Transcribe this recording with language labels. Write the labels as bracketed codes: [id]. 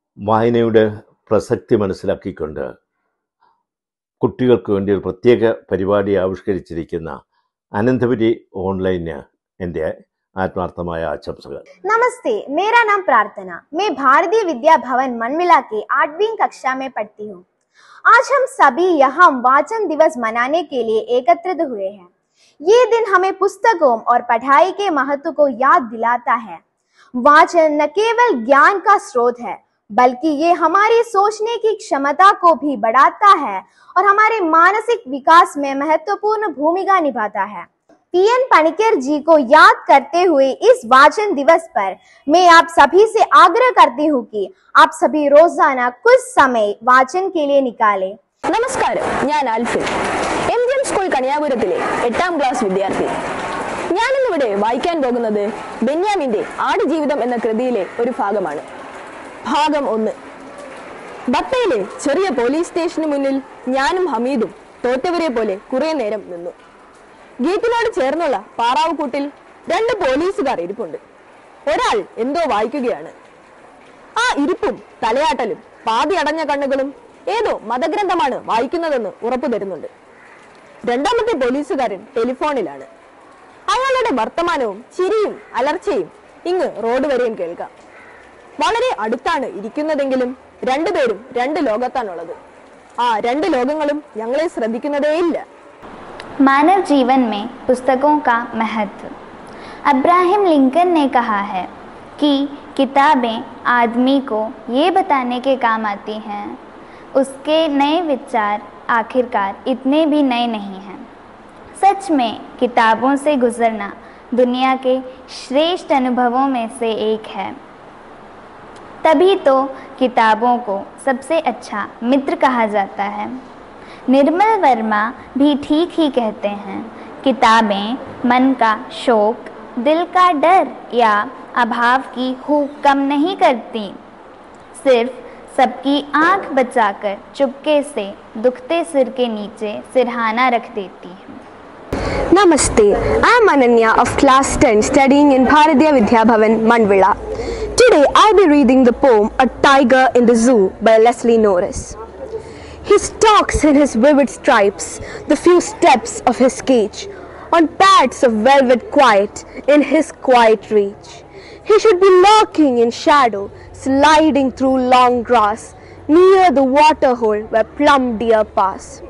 [ml] വായനയുടെ പ്രസക്തി മനസ്സിലാക്കിക്കൊണ്ട് കുട്ടികൾക്ക് വേണ്ടി ഒരു പ്രത്യേക പരിപാടി ആവിഷ്കരിച്ചിരിക്കുന്ന അനന്തപുരി ഓൺലൈന് എൻ്റെ ആത്മാർത്ഥമായ ആശംസകൾ. [hi] നമസ്തേ, മേരാ നാം പ്രാർത്ഥന, may Bharatiya Vidya Bhavan മൺമിലാ K ആഠവീ കക്ഷാ may പഠതി who. आज हम सभी यहाँ वाचन दिवस मनाने के लिए एकत्रित हुए हैं। ये दिन हमें पुस्तकों और पढ़ाई के महत्व को याद दिलाता है। वाचन न केवल ज्ञान का स्रोत है, बल्कि ये हमारी सोचने की क्षमता को भी बढ़ाता है और हमारे मानसिक विकास में महत्वपूर्ण भूमिका निभाता है। पी एन पणिक्कर जी को याद करते हुए इस वाचन दिवस पर मैं आप सभी से आग्रह करती हूँ कि आप सभी रोजाना कुछ समय वाचन के लिए निकालें। [ml] नमस्कार, ഞാൻ ആൽഫിൻ, എംജിഎം സ്കൂൾ കണിയാപുരത്തിലെ 8ാം ക്ലാസ് വിദ്യാർത്ഥി. ഞാൻ ഇന്ന് ഇവിടെ വായിക്കാൻ പോകുന്നത് ബെന്യാമിന്റെ ആടുജീവിതം എന്ന കൃതിയിലെ ഒരു ഭാഗമാണ്. ഭാഗം 1. ബത്തയിലെ ചെറിയ പോലീസ് സ്റ്റേഷന് മുന്നിൽ ഞാനും ഹമീദും തോറ്റവരെ പോലെ കുറെ നേരം നിന്നു. ഗേറ്റിനോട് ചേർന്നുള്ള പാറാവുകൂട്ടിൽ രണ്ട് പോലീസുകാർ ഇരിപ്പുണ്ട്. ഒരാൾ എന്തോ വായിക്കുകയാണ്. ആ ഇരിപ്പും തലയാട്ടലും പാതിയടഞ്ഞ കണ്ണുകളും ഏതോ മതഗ്രന്ഥമാണ് വായിക്കുന്നതെന്ന് ഉറപ്പു തരുന്നുണ്ട്. രണ്ടാമത്തെ പോലീസുകാരൻ ടെലിഫോണിലാണ്. അയാളുടെ വർത്തമാനവും ചിരിയും അലർച്ചയും ഇങ്ങ് റോഡ് വരെയും കേൾക്കാം. വളരെ അടുത്താണ് ഇരിക്കുന്നതെങ്കിലും രണ്ടുപേരും രണ്ട് ലോകത്താണുള്ളത്. ആ രണ്ട് ലോകങ്ങളും ഞങ്ങളെ ശ്രദ്ധിക്കുന്നതേയില്ല. [hi] मानव जीवन में पुस्तकों का महत्व. अब्राहम लिंकन ने कहा है कि किताबें आदमी को ये बताने के काम आती हैं, उसके नए विचार आखिरकार इतने भी नए नहीं हैं. सच में किताबों से गुजरना दुनिया के श्रेष्ठ अनुभवों में से एक है. तभी तो किताबों को सबसे अच्छा मित्र कहा जाता है. निर्मल वर्मा भी ठीक ही कहते हैं, किताबें मन का शोक, दिल का डर या अभाव की हूक कम नहीं करती, सिर्फ सबकी आंख बचाकर चुपके से दुखते सिर के नीचे सिरहाना रख देती हैं. [en] नमस्ते, I am Ananya of class 10 studying in Bharatiya Vidya Bhavan Manvila. Today I be reading the poem a tiger in the zoo by Leslie Norris. He stalks in his vivid stripes, the few steps of his cage, on pads of velvet quiet in his quiet reach. He should be lurking in shadow, sliding through long grass, near the waterhole where plum deer pass.